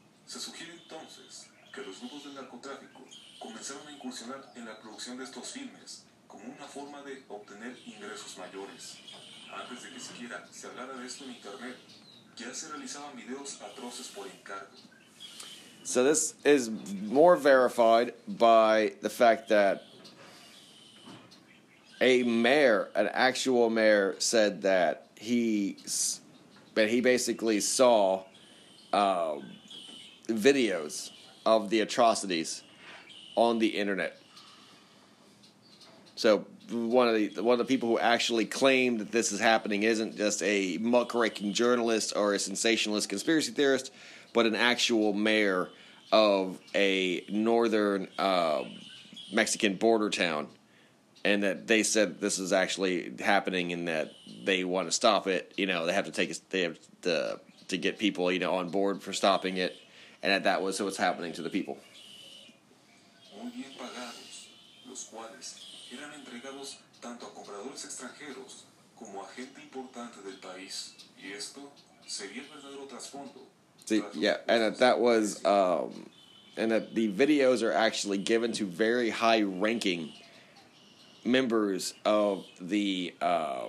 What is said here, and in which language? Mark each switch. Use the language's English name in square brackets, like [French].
[Spanish] Se sugiere entonces que los grupos del narcotráfico comenzaron a incursionar en la producción de estos filmes como una forma de obtener ingresos mayores. Antes de que siquiera se hablara de esto en internet, ya se realizaban videos atroces por encargo. [English] So this is more verified by the fact that a mayor, an actual mayor, said that he basically saw videos of the atrocities on the internet. So one of the people who actually claimed that this is happening isn't just a muckraking journalist or a sensationalist conspiracy theorist, but an actual mayor of a northern Mexican border town, and that they said this is actually happening and that they want to stop it. You know, they have to get people, you know, on board for stopping it, and that was what's happening to the people. [Spanish] Muy bien pagados, los cuales eran entregados tanto a compradores extranjeros como a gente importante del país, y esto sería el verdadero trasfondo. [English] And that the videos are actually given to very high-ranking members of the the